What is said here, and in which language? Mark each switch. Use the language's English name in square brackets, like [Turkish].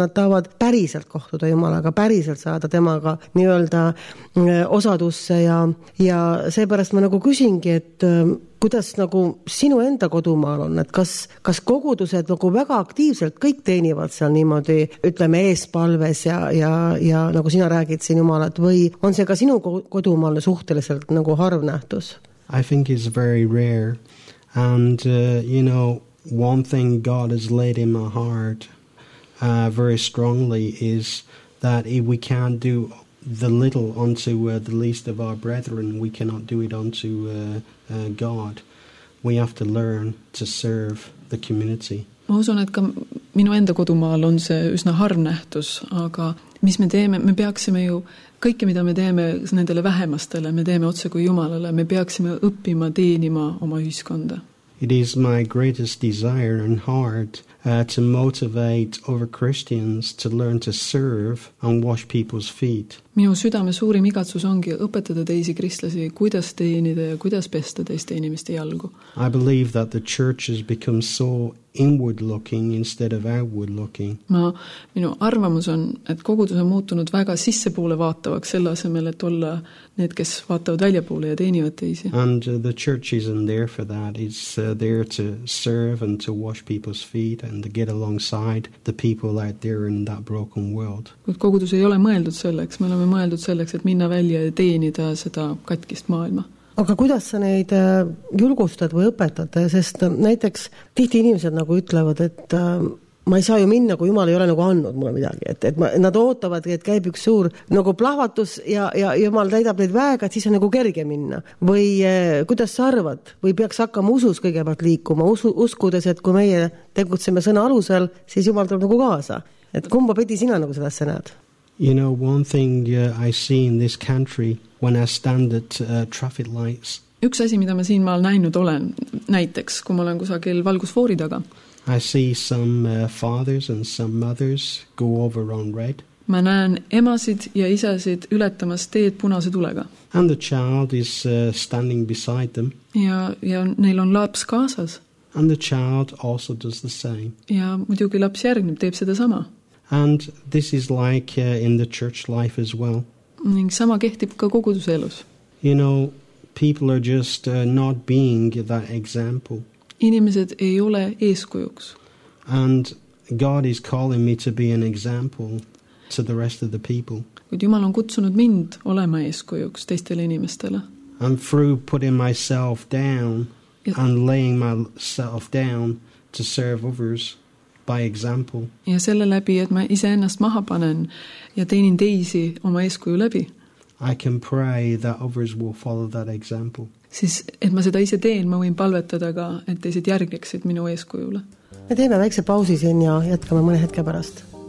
[Estonian] Nad tahavad päriselt kohtuda Jumalaga, päriselt saada temaga nii-öelda osadusse ja seepärast ma nagu küsingi, et kuidas nagu sinu enda kodumaal on, et kas kogudused nagu väga aktiivselt kõik teenivad seal niimoodi, ütleme eespalves ja nagu sina räägid siin Jumalat või on see ka sinu kodumaal suhteliselt nagu harv nähtus? [English] I think it's very rare and you know one thing God has laid in my heart very strongly is that if we can't do the little unto the least of our brethren, we cannot do it unto God. We have to learn to serve the community. [Estonian] Ma usun, et ka minu enda kodumaal on see üsna harv nähtus, aga mis me teeme, me peaksime ju kõike, mida me teeme nendele vähemastele, me teeme otse kui Jumalale, me peaksime õppima teenima oma ühiskonda. [English] It is my greatest desire and heart to motivate other Christians to learn to serve and wash people's feet. [Estonian] Minu südame suurim igatsus ongi õpetada teisi kristlasi, kuidas teenida ja kuidas pesta teiste inimeste jalgu. [English] I believe that the church has become so inward looking instead of outward looking. [Estonian] Minu arvamus on, et kogudus on muutunud väga sissepoole vaatavaks selle asemel, et olla need, kes vaatavad väljapoole ja teenivad teisi. [English] And the church isn't there for that. It's there to serve and to wash people's feet and to get alongside the people out there in that broken world. [Estonian] Kuid kogudus ei ole mõeldud selleks. Me oleme mõeldud selleks, et minna välja ja teenida seda katkist maailma. Aga kuidas sa neid julgustad või õpetad? Sest näiteks tihti inimesed nagu ütlevad, et ma ei saa ju minna, kui Jumal ei ole nagu annud mulle midagi. Et nad ootavad, et käib üks suur nagu plahvatus ja Jumal täidab neid väega, et siis on nagu kerge minna. Või kuidas sa arvad? Või peaks hakkama usus kõigepealt liikuma? Uskudes, et kui meie tegutseme sõna alusel, siis Jumal tuleb nagu kaasa. Et kumba pidi sina nagu seda asja näed? [English] You know, one thing I see in this country when I stand at traffic lights. [Estonian] Üks asi, mida ma siin maal näinud olen, näiteks, kui ma olen kusagil valgusfoori taga. [English] I see some fathers and some mothers go over on red. [Estonian] Ma näen emasid ja isasid ületamas teed punase tulega. [English] And the child is standing beside them. [Estonian] Ja neil on laps kaasas. [English] And the child also does the same. [Estonian] Ja muidugi laps järgneb, teeb seda sama. [English] And this is like in the church life as well. [Estonian] Ning sama kehtib ka koguduse elus. [English] You know, people are just not being that example. [Estonian] Inimesed ei ole eeskujuks. [English] And God is calling me to be an example to the rest of the people. [Estonian] Kuid Jumal on kutsunud mind olema eeskujuks teistele inimestele. [English] And through putting myself down and laying myself down to serve others by example. [Estonian] Ja selle läbi, et ma ise ennast maha panen ja teenin teisi oma eeskuju läbi. [English] I can pray that others will follow that example. [Estonian] Siis, et ma seda ise teen, ma võin palvetada ka, et teised järgiksid minu eeskujule. Me teeme väikse pausi siin ja jätkame mõne hetke pärast.